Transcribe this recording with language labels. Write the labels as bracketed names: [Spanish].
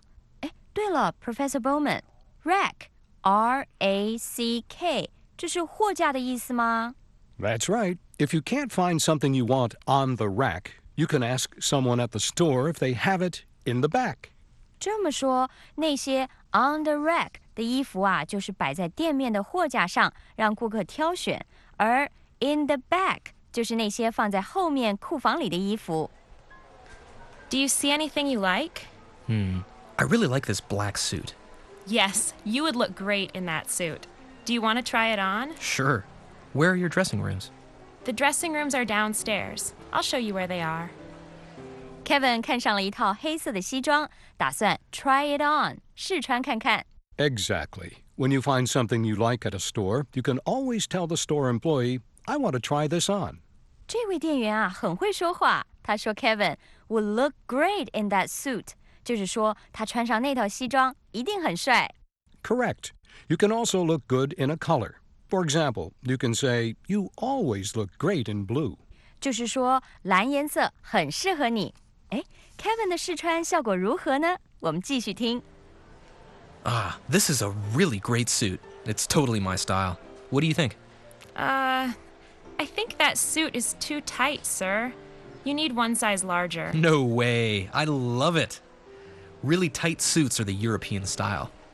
[Chinese] 他一般穿42号的西装。对了，Professor Bowman, rack, R-A-C-K, 这是货架的意思吗？ [English] That's right. If you can't find something you want on the rack, you can ask someone at the store if they have it in the back. [Chinese] 这么说，那些 on the rack 的衣服啊，就是摆在店面的货架上，让顾客挑选；而 in the back 就是那些放在后面库房里的衣服。Do [English] you see anything you like? I really like this black suit. Yes, you would look great in that suit. Do you want to try it on? Sure. Where are your dressing rooms? The dressing rooms are downstairs. I'll show you where they are. [Chinese] Kevin 看上了一套黑色的西装，打算 [English] try it on [Chinese] 试穿看看。 [English] Exactly. When you find something you like at a store, you can always tell the store employee, "I want to try this on." [Chinese] 这位店员啊，很会说话。他说 [English] Kevin would look great in that suit， [Chinese] 就是说他穿上那套西装一定很帅。 [English] Correct. You can also look good in a color. For example, you can say, "You always look great in blue." [Chinese] 就是说蓝颜色很适合你。Kevin的试穿效果如何呢？我们继续听。 [English] This is a really great suit. It's totally my style. What do you think? I think that suit is too tight, sir. You need one size larger. No way. I love it. Really tight suits are the European style.